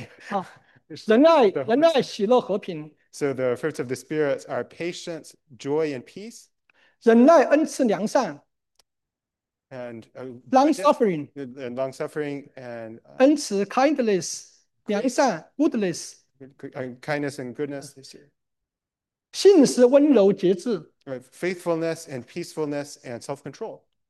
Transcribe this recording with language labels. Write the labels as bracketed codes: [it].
[zh] 也就是圣灵所结的果子，就是仁爱、喜乐、和平、忍耐、恩慈、良善、信实、温柔、节制。好，仁爱、喜乐、和平。 [en] So the fruits of the Spirit are patience, joy, and peace. [zh] 忍耐、恩慈、良善。 [en] And long-suffering. And long-suffering and [zh] 恩慈 kindness 良善 goodness。 [en] kindness and goodness this year. [zh] 信实、温柔、节制。 [en] Faithfulness and peacefulness and self-control.